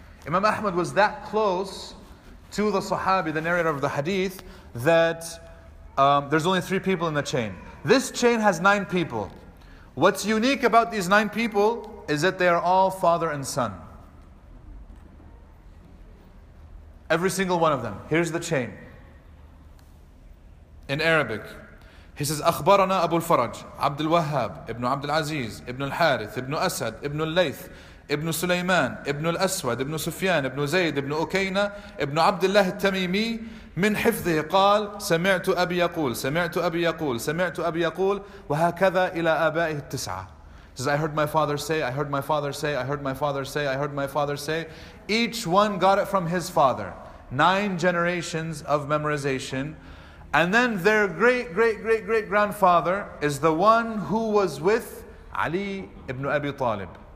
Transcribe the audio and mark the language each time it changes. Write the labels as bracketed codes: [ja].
[en] Imam Ahmad was that close to the Sahabi, the narrator of the hadith, that there's only 3 people in the chain. This chain has 9 people. What's unique about these 9 people is that they are all father and son. Every single one of them. Here's the chain. In Arabic, he says, [ar] أخبرنا أبو الفرج عبد الوهاب ابن عبد العزيز ابن الحارث ابن أسد ابن الليث ابن سليمان ابن الأسود ابن سفيان ابن زيد ابن أكينة ابن عبد الله التميمي من حفظه قال سمعت أبي يقول سمعت أبي يقول سمعت أبي يقول وهكذا إلى آبائه التسعة. [en] Says, I heard my father say, I heard my father say, I heard my father say, I heard my father say. Each one got it from his father. 9 generations of memorization. And then their great, great, great, great grandfather is the one who was with Ali ibn Abi Talib.